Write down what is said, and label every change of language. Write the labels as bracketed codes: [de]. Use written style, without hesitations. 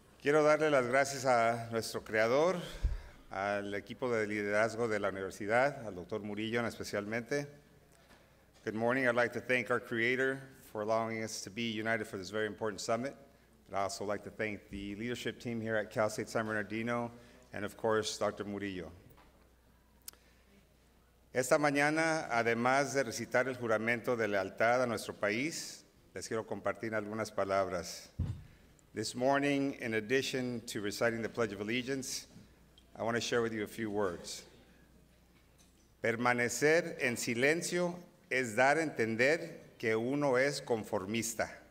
[es] Quiero darle las gracias a nuestro creador, al equipo de liderazgo de la universidad, al doctor Murillo especialmente. [en] Good morning. I'd like to thank our creator for allowing us to be united for this very important summit. I'd also like to thank the leadership team here at Cal State San Bernardino, and of course, Dr. Murillo. [es] Esta mañana, además de recitar el juramento de lealtad a nuestro país, les quiero compartir algunas palabras. [en] This morning, in addition to reciting the Pledge of Allegiance, I want to share with you a few words. [es] Permanecer en silencio es dar a entender que uno es conformista.